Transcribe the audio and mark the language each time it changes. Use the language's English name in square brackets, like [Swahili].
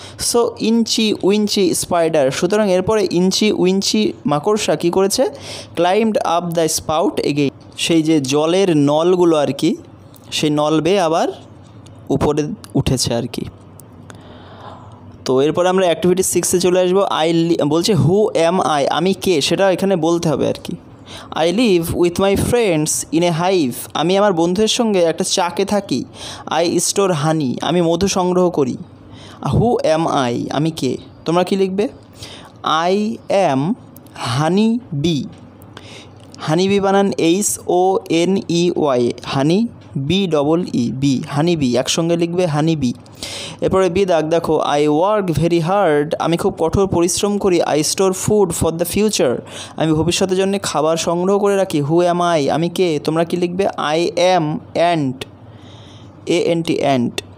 [Bangla] So ইঞ্চি উইঞ্চি spider, সুতরাং এরপরে ইঞ্চি উইঞ্চি মাকড়সা কী করেছে, [English] climbed up the spout again, [Bangla] সেই যে জলের নলগুলো আর কি, সেই নল বেয়ে আবার উপরে উঠেছে আর কি। তো এরপর আমরা অ্যাক্টিভিটি সিক্সে চলে আসবো, আই বলছে [English] who am I, [Bangla] আমি কে, সেটা এখানে বলতে হবে আর কি। [English] I live with my friends in a hive. [Bangla] আমি আমার বন্ধুদের সঙ্গে একটা চাকে থাকি। [English] I store honey. [Bangla] আমি মধু সংগ্রহ করি। [English] Who am I? [Bangla] আমি কে? তোমরা কী লিখবে? [English] I am honey bee. Honey bee বানান H-O-N-E-Y. Honey B-E-E-B. Honey bee. [Bangla] একসঙ্গে লিখবে honey bee. এরপরে বিদাক দেখো, [English] I work very hard, [Bangla] আমি খুব কঠোর পরিশ্রম করি। [English] I store food for the future, [Bangla] আমি ভবিষ্যতের জন্য খাবার সংগ্রহ করে রাখি। [English] who am I, [Bangla] আমি কে, তোমরা কী লিখবে? [English] I am ant, A N T ant.